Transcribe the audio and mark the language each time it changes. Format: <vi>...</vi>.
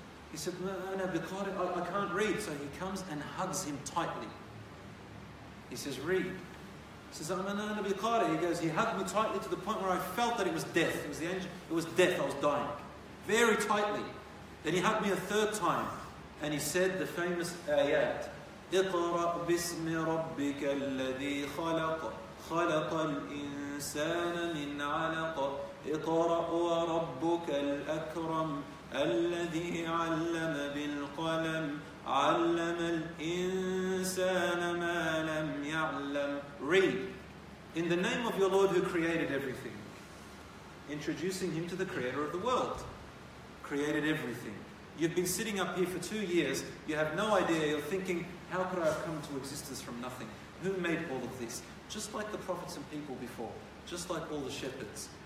<en>He said, no, because I can't read. So he comes and hugs him tightly. He says, read. He says, no, because he goes, he hugged me tightly to the point where I felt that it was death. It was the angel. It was death. I was dying. Very tightly. Then he hugged me a third time. And he said the famous ayat.</en> <ar>Iqra bismi rabbika alladhi khalaqa. خلق الإنسان من علق اقرأ وربك الأكرم الذي علم بالقلم علم الإنسان ما لم يعلم.</ar> <en>Read. In the name of your Lord who created everything. Introducing him to the creator of the world. Created everything. You've been sitting up here for 2 years. You have no idea. You're thinking, how could I have come to existence from nothing? Who made all of this? Just like the prophets and people before, just like all the shepherds.</en>